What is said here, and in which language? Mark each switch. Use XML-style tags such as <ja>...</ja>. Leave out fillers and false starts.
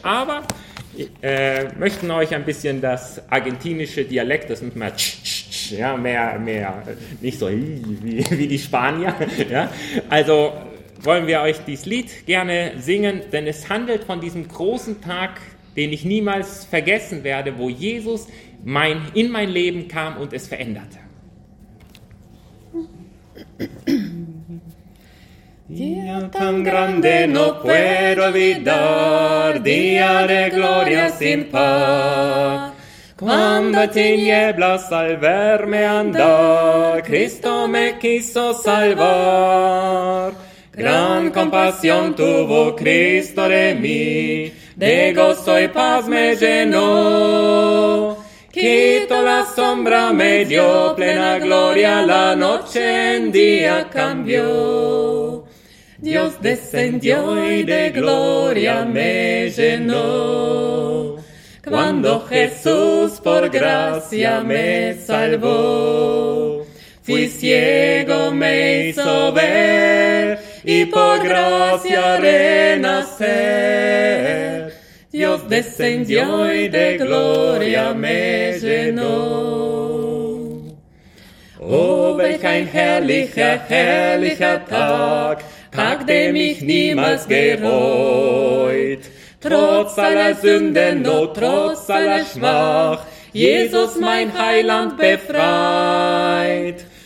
<de>Aber möchten euch ein bisschen das argentinische Dialekt, das mit mehr, nicht so wie die Spanier. Ja, also wollen wir euch dieses Lied gerne singen, denn es handelt von diesem großen Tag, den ich niemals vergessen werde, wo Jesus in mein Leben kam und es veränderte.</de> <es>Día tan grande no puedo olvidar, día de gloria sin par. Cuando tinieblas al verme andar, Cristo me quiso salvar. Gran compasión tuvo Cristo de mí, de gozo y paz me llenó. Quito la sombra, me dio plena gloria, la noche en día cambió. Dios descendió y de gloria me llenó. Cuando Jesús por gracia me salvó, fui ciego, me hizo ver, y por gracia renacer. Dios descendió y de gloria me llenó.</es> <de>Oh, welch ein herrlicher, herrlicher Tag, Tag, der mich niemals gereut. Trotz aller Sünden, noch trotz aller Schmach, Jesus, mein Heiland, befreit.</de>